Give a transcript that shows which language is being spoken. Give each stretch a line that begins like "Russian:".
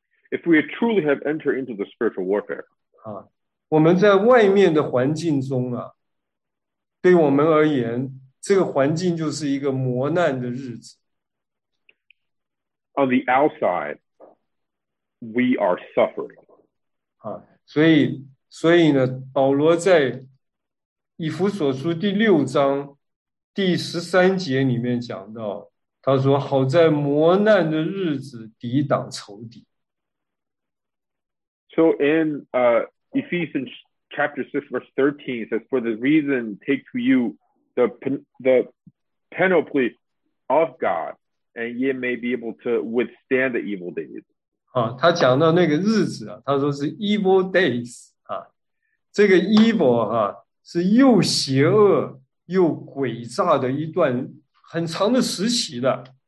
English: ，If we truly have entered into the spiritual warfare,
Chinese: 啊，我们在外面的环境中啊，对我们而言。这个环境就是一个磨难的日子。
English: On the outside, we are suffering.
Chinese: 啊，所以呢，保罗在以弗所书第六章第十三节里面讲到，他说：“好在磨难的日子抵挡仇敌。”
English: So in Ephesians chapter 6 verse 13 says, "For this reason, take to you." The panoply of God, and ye may be able to withstand the evil days.
Chinese: 啊，他讲到那个日子啊，他说是
English: evil days
Chinese: 啊，这个 evil 啊是又邪恶又诡诈的一段很长的时期的。